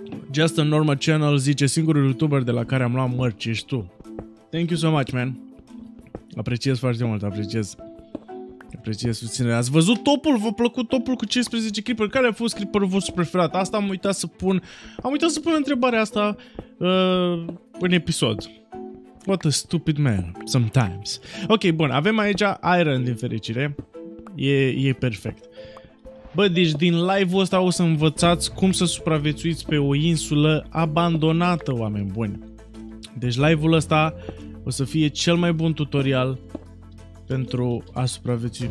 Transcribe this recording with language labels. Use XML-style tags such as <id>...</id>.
<ro>Just a normal channel, zice, singurul YouTuber de la care am luat merch ești tu.</ro> <en>Thank you so much, man.</en> <ro>Apreciez foarte mult, apreciez. Apreciez susținerea. Ați văzut topul? V-a plăcut topul cu 15 creeper? Care a fost creeperul vostru preferat? Asta am uitat să pun. Am uitat să pun întrebarea asta în episod.</ro> <en>What a stupid man, sometimes.</en> <ro>Ok, bun, avem aici iron din fericire. E perfect. Bă, deci din live-ul ăsta o să învățați cum să supraviețuiți pe o insulă abandonată, oameni buni. Deci live-ul ăsta o să fie cel mai bun tutorial pentru a supraviețui.</ro>